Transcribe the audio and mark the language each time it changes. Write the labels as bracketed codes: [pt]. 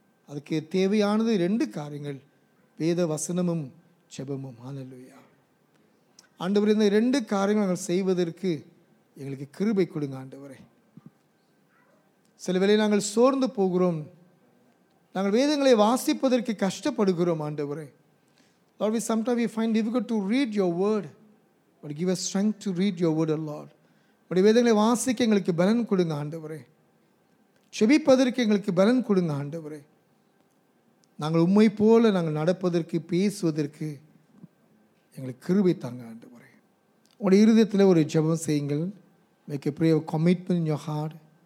[ta] அதுக்கு தேவையானது ரெண்டு காரியங்கள், வேத வசனமும் ஜெபமும். ஹல்லேலூயா. ஆண்டவரே, இந்த ரெண்டு காரியங்கள் நாங்கள் செய்வதற்கு எங்களுக்கு கிருபை கொடுங்க ஆண்டவரே. சில வேளை நாங்கள் சோர்ந்து போகிறோம், நாங்கள் வேதங்களை வாசிப்பதற்கு கஷ்டப்படுகிறோம் ஆண்டவரே. [en] Lord, we sometimes we find difficult to read your word, but give us strength to read your word, Lord. [ta] உம்முடைய வேதங்களை வாசிக்க எங்களுக்கு பலன் கொடுங்க ஆண்டவரே. செபிப்பதற்கு எங்களுக்கு பலன் கொடுங்க ஆண்டவரே. நாங்கள் உம்மை போல நாங்கள் நடப்பதற்கு பேசுவதற்கு எங்களுக்கு கிருபை தாங்க ஆண்டவரே. உங்களுடைய இருதயத்தில் ஒரு ஜெபம் செய்யுங்கள். [en] Make a prayer, commitment in your heart.